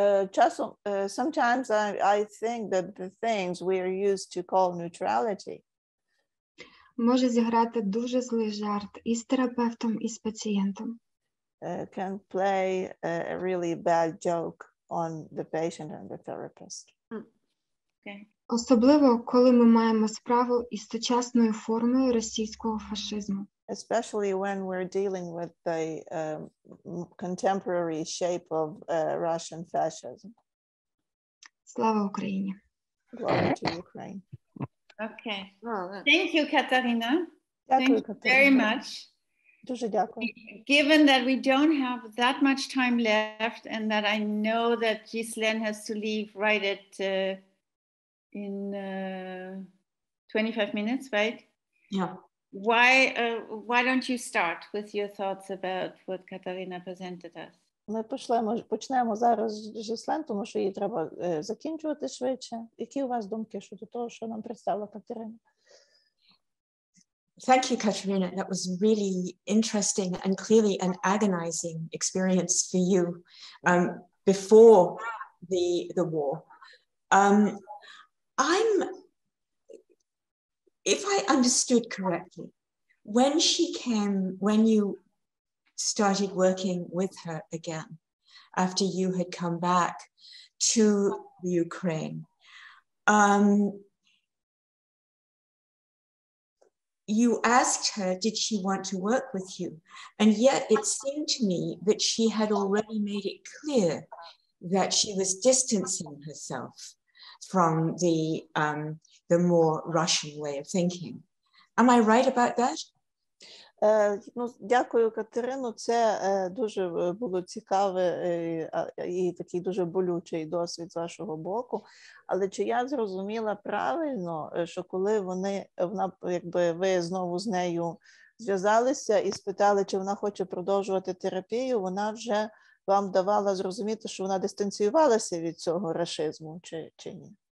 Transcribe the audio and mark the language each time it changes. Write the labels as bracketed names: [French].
[Ukrainian] Часом, [English] sometimes I think that the things we are used to call neutrality [Ukrainian] може зіграти дуже злий жарт і з терапевтом, і з пацієнтом. [English] Can play a really bad joke on the patient and the therapist. Okay. [Ukrainian] Особливо, коли ми маємо справу із сучасною формою російського фашизму. [English] Especially when we're dealing with the contemporary shape of Russian fascism. [Ukrainian] Слава Україні. [English] Glory to Ukraine. Okay. Thank you, Катерина. [Ukrainian] Дякую, [English] Катерина. Thank you very much. [Ukrainian] Дуже дякую. [English] Given that we don't have that much time left and that I know that Ghislaine has to leave right at in 25 minutes, right? Yeah. Why don't you start with your thoughts about what Катерина presented us? [Ukrainian] Ми почнемо зараз з Ghislaine, тому що їй треба закінчувати швидше. Які у вас думки щодо того, що нам представила Катерина? [English] Thank you, Katerina. That was really interesting and clearly an agonizing experience for you before the war. If I understood correctly, when you started working with her again after you had come back to Ukraine, you asked her, did she want to work with you? And yet it seemed to me that she had already made it clear that she was distancing herself from the more Russian way of thinking. Am I right about that? [Ukrainian] Дякую, Катерино. Це дуже було цікаве і такий дуже болючий досвід з вашого боку. Але чи я зрозуміла правильно, що коли ви знову з нею зв'язалися і спитали, чи вона хоче продовжувати терапію, вона вже вам давала зрозуміти, що вона дистанціювалася від цього рашизму, чи ні?